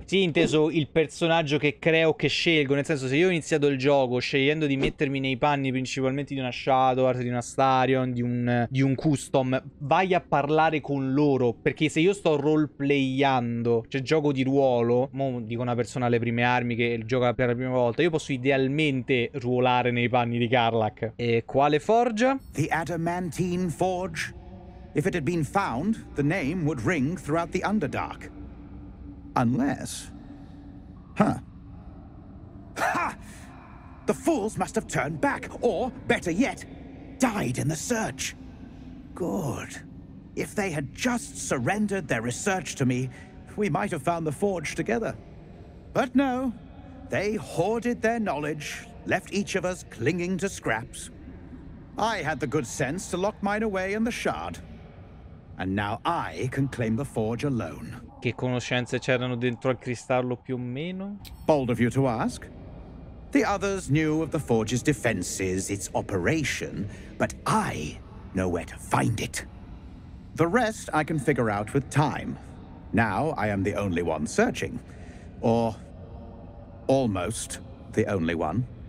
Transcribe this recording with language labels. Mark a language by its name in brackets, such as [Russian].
[Italian] Sì, inteso il personaggio che creo, che scelgo. Nel senso, se io ho iniziato il gioco scegliendo di mettermi nei panni principalmente di una Shadowheart, di una Astarion, di un custom, vai a parlare con loro. Perché se io sto roleplayando, cioè gioco di ruolo, mo dico una persona alle prime armi che gioca per la prima volta, io posso idealmente ruolare nei panni di Karlach. E quale forge? [English] The Adamantine Forge. If it had been found, the name would ring throughout the Underdark. Unless. Huh. Ha! The fools must have turned back, or, better yet, died in the search. Good. If they had just surrendered their research to me, we might have found the forge together. But no, they hoarded their knowledge, left each of us clinging to scraps. I had the good sense to lock mine away in the shard. And now I can claim the forge alone. [Italian] Che conoscenze c'erano dentro al cristallo più o meno? [English] Bold of you to ask. The others knew of the forge's defenses, its operation, but I know where to find it. The rest I can figure out with time. Now I am the only one searching. Or almost the only one.